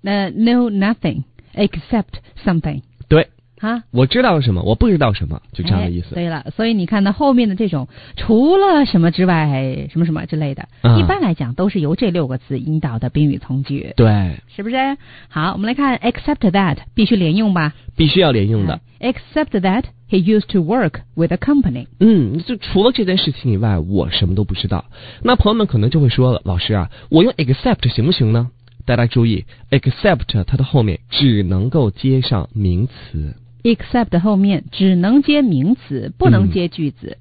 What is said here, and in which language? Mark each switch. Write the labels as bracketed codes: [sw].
[en] Know nothing except something。 [zh] 对。啊，我知道什么，我不知道什么，就这样的意思。哎、对了，所以你看到后面的这种除了什么之外，什么什么之类的，一般来讲都是由这六个字引导的宾语从句。对，是不是？好，我们来看 except that， 必须连用吧？必须要连用的。哎、 [en] except that he used to work with a company。 [zh] 嗯，就除了这件事情以外，我什么都不知道。那朋友们可能就会说了，老师啊，我用 except 行不行呢？大家注意 ，except 它的后面只能够接上名词。 except 后面只能接名词，不能接句子、